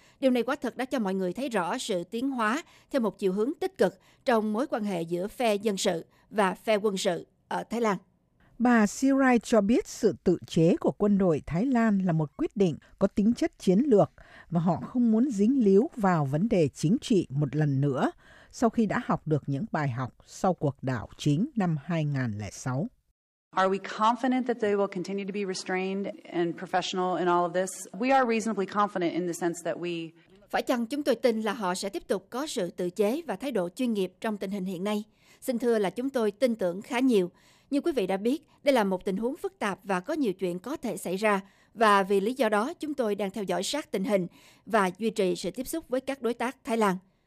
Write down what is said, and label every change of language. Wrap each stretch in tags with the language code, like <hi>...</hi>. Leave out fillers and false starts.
<vi>Điều này quả thật đã cho mọi người thấy rõ sự tiến hóa theo một chiều hướng tích cực trong mối quan hệ giữa phe dân sự và phe quân sự ở Thái Lan. Bà Sirai cho biết sự tự chế của quân đội Thái Lan là một quyết định có tính chất chiến lược và họ không muốn dính líu vào vấn đề chính trị một lần nữa, sau khi đã học được những bài học sau cuộc đảo chính năm 2006.</vi> <en>Are we confident that they will continue to be restrained and professional in all of this? We are reasonably confident in the sense that we...</en> <vi>Phải chăng chúng tôi tin là họ sẽ tiếp tục có sự tự chế và thái độ chuyên nghiệp trong tình hình hiện nay? Xin thưa là chúng tôi tin tưởng khá nhiều. Như quý vị đã biết, đây là một tình huống phức tạp và có nhiều chuyện có thể xảy ra. Và vì lý do đó, chúng tôi đang theo dõi sát tình hình và duy trì sự tiếp xúc với các đối tác Thái Lan.</vi>